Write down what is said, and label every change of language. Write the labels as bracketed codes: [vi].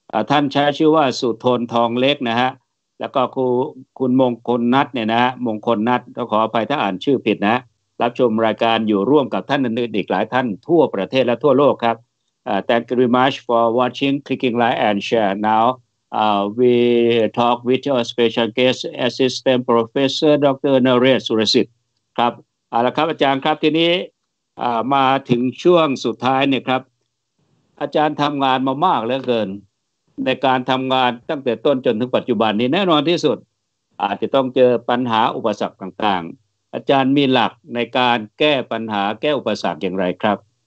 [th] ท่านใช้ชื่อว่าสุทนทองเล็กนะฮะแล้วก็คุณมงคลนัทเนี่ยนะฮะมงคลนัทก็ขออภัยถ้าอ่านชื่อผิดนะรับชมรายการอยู่ร่วมกับท่านอื่นๆอีกหลายท่านทั่วประเทศและทั่วโลกครับ [en] Thank you very much for watching, clicking like and share. Now, we talk with our special guest, Assistant Professor Dr. Naresh Surasit. [th] ครับเอาละครับอาจารย์ครับทีนี้มาถึงช่วงสุดท้ายเนี่ยครับอาจารย์ทำงานมามากเหลือเกินในการทำงานตั้งแต่ต้นจนถึงปัจจุบันนี้แน่นอนที่สุดอาจจะต้องเจอปัญหาอุปสรรคต่างๆอาจารย์มีหลักในการแก้ปัญหาแก้อุปสรรคอย่างไรครับ